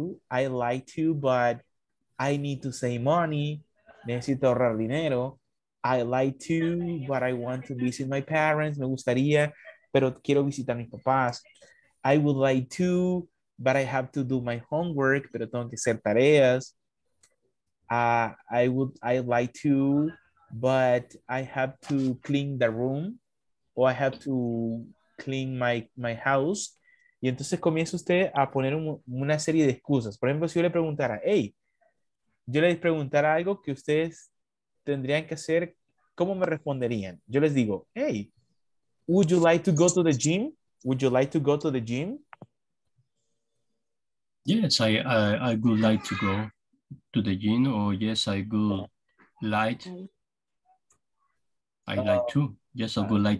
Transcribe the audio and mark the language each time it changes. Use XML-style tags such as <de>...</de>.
<en>I'd like to, but I need to save money.</en> <es>Necesito ahorrar dinero.</es> <en>I'd like to, but I want to visit my parents.</en> <es>Me gustaría, pero quiero visitar a mis papás.</es> <en>I would like to, but I have to do my homework,</en> <es>pero tengo que hacer tareas.</es> <en>I'd like to, but I have to clean the room, or I have to clean my house.</en> <es>Y entonces comienza usted a poner una serie de excusas. Por ejemplo, si yo le preguntara, hey, yo les preguntara algo que ustedes tendrían que hacer, ¿cómo me responderían? Yo les digo,</es> <en>hey, would you like to go to the gym? Would you like to go to the gym? Yes, I would like to go to the gym, or yes, I would like. I like to. Yes, I would like</en>